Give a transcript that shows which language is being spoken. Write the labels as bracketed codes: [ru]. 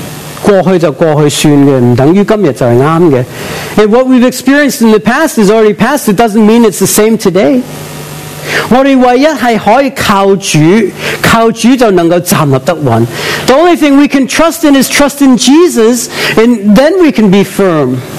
[zh] 我们的经历会是有时是过去就过去算的，不等于今天就是对的。 [en] And what we've experienced in the past is already past. It doesn't mean it's the same today. [zh] 我们唯一是可以靠主，靠主就能够站立得稳。 [en] The only thing we can trust in is trust in Jesus, and then we can be firm.